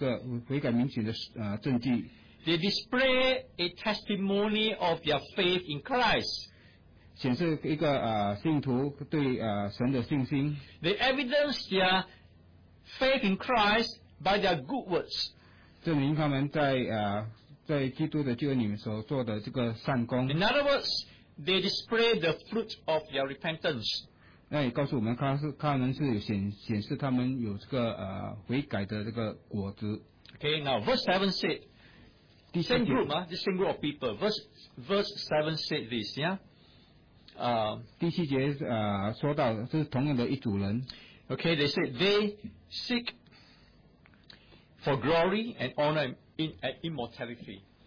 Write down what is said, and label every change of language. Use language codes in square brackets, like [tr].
[zh] 他们有悔改，能够有明显的证据。 [en] They display a testimony of their faith in Christ. [zh] 显示一个信徒对神的信心。 [en] They evidence their faith in Christ by their good works. [zh] 证明他们在基督的救恩里面所做的这个善功。 [en] In other words, they display the fruit of their repentance. [zh] 那也告诉我们，他们是显示他们有这个悔改的这个果子。 [en] Okay, now verse 7 said, same group of people. Verse 7 said this, yeah? [zh] 第七节说到是同样的一组人。 [en] Okay, they said, they seek for glory and honor and immortality.